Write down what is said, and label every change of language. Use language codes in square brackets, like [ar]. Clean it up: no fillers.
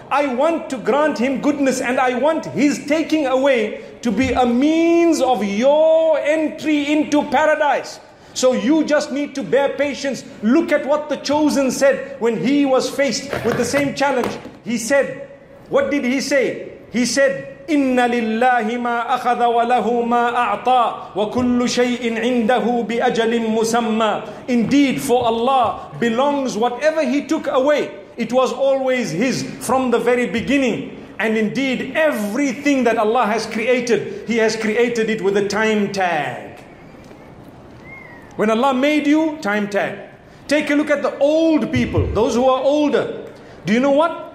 [en] I want to grant him goodness, and I want his taking away to be a means of your entry into paradise. So you just need to bear patience. Look at what the chosen said when he was faced with the same challenge. He said, what did he say? He said, [ar] إِنَّ لِلَّهِ مَا أَخَذَ وَلَهُ مَا أَعْطَى وَكُلُّ شَيْءٍ عِنْدَهُ بِأَجَلٍ مُسَمَّى. [en] Indeed, for Allah belongs whatever he took away. It was always his from the very beginning. And indeed, everything that Allah has created, he has created it with a time tag. When Allah made you, time tag. Take a look at the old people, those who are older. Do you know what?